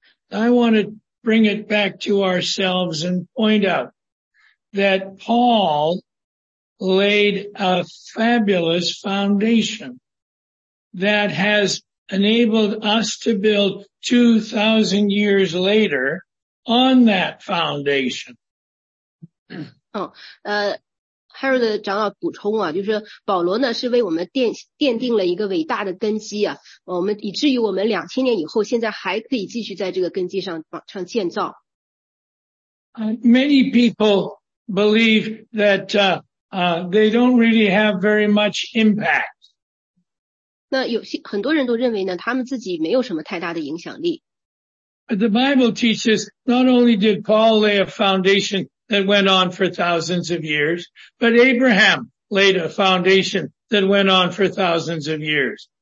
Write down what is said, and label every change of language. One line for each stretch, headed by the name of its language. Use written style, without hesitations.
English: I want to bring it back to ourselves and point out that Paul laid a fabulous foundation that has enabled us to build 2,000 years later on that foundation.
Chinese: 哈尔德 长老补充啊，就是保罗呢是为我们奠定了一个伟大的根基啊，我们以至于我们2000年以后现在还可以继续在这个根基上建造。
English: Many people believe that they don't really have very much impact.
Chinese: 那有些很多人都认为呢他们自己没有什么太大的影响力。
English: But the Bible teaches not only did Paul lay a foundation,that went on for thousands of years, but Abraham laid a foundation that went on for thousands of years.